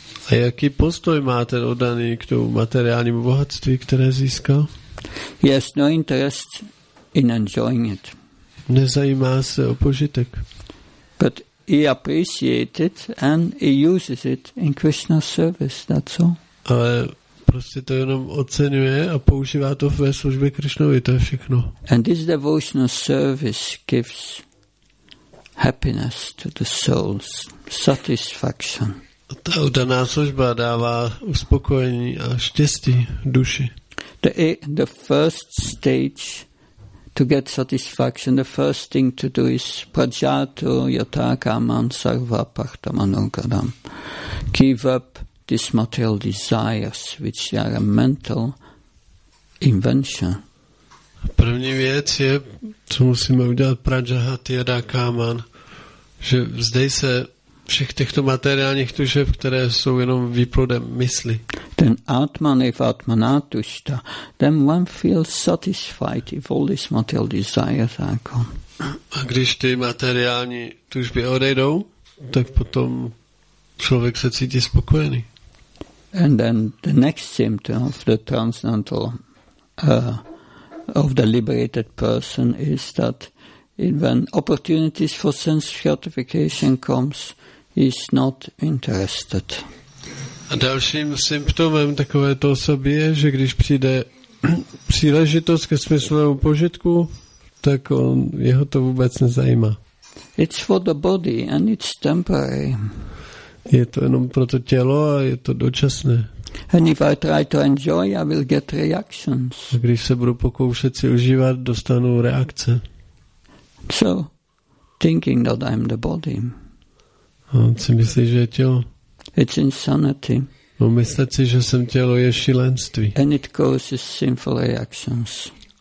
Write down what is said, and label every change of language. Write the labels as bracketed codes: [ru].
[cs] A jaký postoj má ten oddaný k tomu materiálnímu bohatství, které získal? [en] He has no interest in enjoying it. [cs] Nezajímá se o požitek. [en] But he appreciates it and he uses it in Krishna's service, that's all. [cs] Ale prostě to jenom oceňuje a používá to ve službě Krishnovi, to je všechno. [en] And this devotional service gives happiness to the souls, satisfaction. [cs] Ta udaná služba dává uspokojení a štěstí duši. [en] The first stage to get satisfaction, the first thing to do is prajato yatakaman sarva pachtamanokadam. Give up these material desires, which are a mental invention. [cs] První věc je, co musíme udělat, prajato yatakaman, že vzdej se všech těchto materiálních tužeb, které jsou jenom výplodem mysli. [en] Then atman if atmanatushta, then one feels satisfied if all these material desires are gone. [cs] A když ty materiální tužby odejdou, tak potom člověk se cítí spokojený. [en] And then the next symptom of the transcendental of the liberated person is that when opportunities for sense gratification comes, is not interested. [cs] A dalším symptomem takovéto osoby je, že když přijde příležitost ke smyslovému požitku, tak on, jeho to vůbec nezajímá. [en] It's for the body and it's temporary. [cs] Je to jenom pro to tělo a je to dočasné. [en] And if I try to enjoy, I will get reactions. [cs] A když se budu pokoušet si užívat, dostanu reakce. [en] So, thinking that I'm the body. [cs] On si myslí, že je tělo. [en] It's insanity. [cs] On myslí si, že jsem tělo, je šílenství. [en] And it causes sinful reactions.